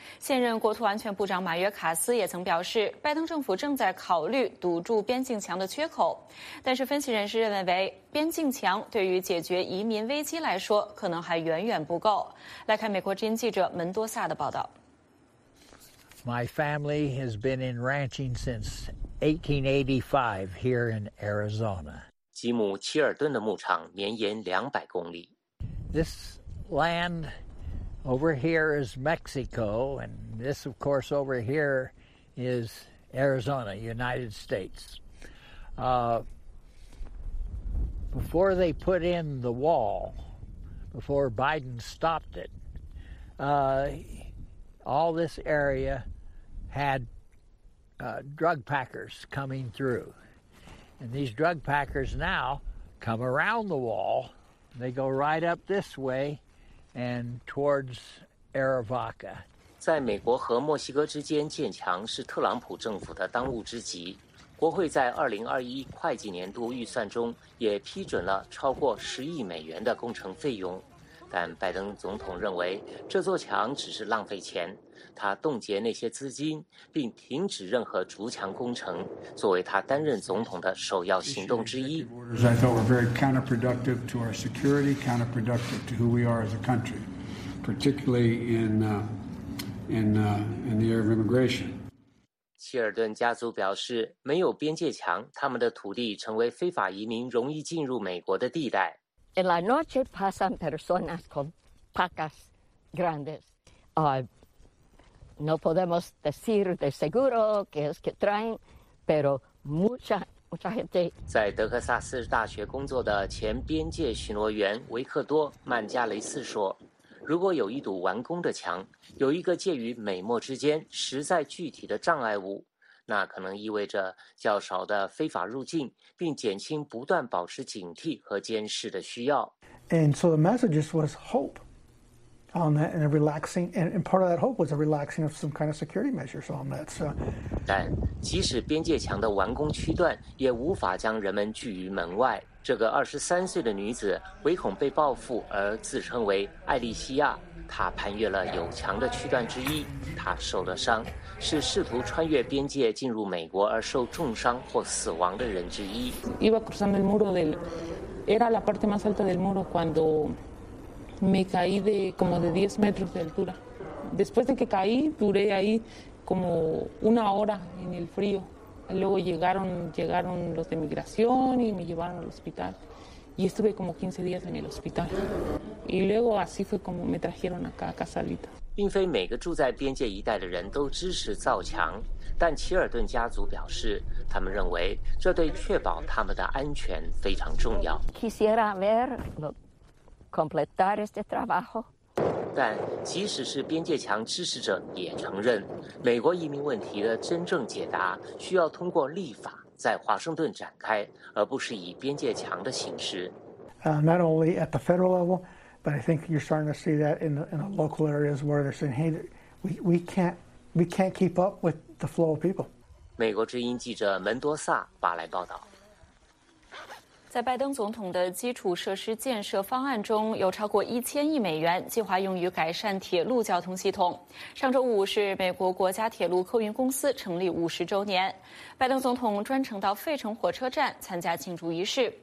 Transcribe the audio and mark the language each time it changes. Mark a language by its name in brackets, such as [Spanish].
[Chinese] 现任国土安全部长马约卡斯也曾表示，拜登政府正在考虑堵住边境墙的缺口。但是分析人士认为，边境墙对于解决移民危机来说可能还远远不够。来看美国之音记者门多萨的报道。 [English] My family has been in ranching since 1885 here in Arizona. [Chinese] 吉姆·齐尔顿的牧场绵延200公里。 [English] This land over here is Mexico, and this, of course, over here is Arizona, United States. Before they put in the wall, before Biden stopped it, all this area... had drug packers coming through. And these drug packers now come around the wall. They go right up this way and towards Aravaca. [Chinese] 在美国和墨西哥之间建墙是特朗普政府的当务之急。国会在2021会计年度预算中也批准了超过$10 亿的工程费用。但拜登总统认为这座墙只是浪费钱。他冻结那些资金，并停止任何筑墙工程，作为他担任总统的首要行动之一。 [English] I thought were very counterproductive to our security, counterproductive to who we are as a country, particularly in the area of immigration. [Chinese] 希尔顿家族表示，没有边界墙，他们的土地成为非法移民容易进入美国的地带。 [Spanish] En la noche pasan personas con pacas grandes. No podemos decir de seguro qué es que traen, pero mucha gente. [Chinese] 在德克萨斯大学工作的前边界巡逻员维克多·曼加雷斯说，如果有一堵完工的墙，有一个介于美墨之间实在具体的障碍物，那可能意味着较少的非法入境，并减轻不断保持警惕和监视的需要。 [English] And so the message was hope. On that and a relaxing, and part of that hope was a relaxing of some kind of security measures on that. So, [Chinese] 但即使边界墙的完工区段，也无法将人们拒于门外。这个23岁的女子唯恐被报复而自称为艾丽西亚。她攀越了有墙的区段之一，她受了伤，是试图穿越边界进入美国而受重伤或死亡的人之一。 [Spanish] Iba cruzando el muro del, era la parte más alta del muro cuando. Me caí de como de 10 metros de altura. Después de que caí, duré ahí como una hora en el frío. Luego llegaron los de migración y me llevaron al hospital. Y estuve como 15 días en el hospital. Y luego así fue como me trajeron acá a Casalita. [Chinese] 并非每个住在边界一带的人都支持造墙，但齐尔顿家族表示，他们认为这对确保他们的安全非常重要。 [Spanish] Quisiera ver lo... completar este trabajo. [Chinese] 但即使是边界墙支持者也承认，美国移民问题的真正解答需要通过立法在华盛顿展开，而不是以边界墙的形式。 [English] Not only at the federal level, but I think you're starting to see that in the local areas where they're saying, "Hey, we can't keep up with the flow of people." [Chinese] 美国之音记者门多萨巴莱报道。在拜登总统的基础设施建设方案中，有超过$1000亿计划用于改善铁路交通系统。上周五是美国国家铁路客运公司成立50周年，拜登总统专程到费城火车站参加庆祝仪式。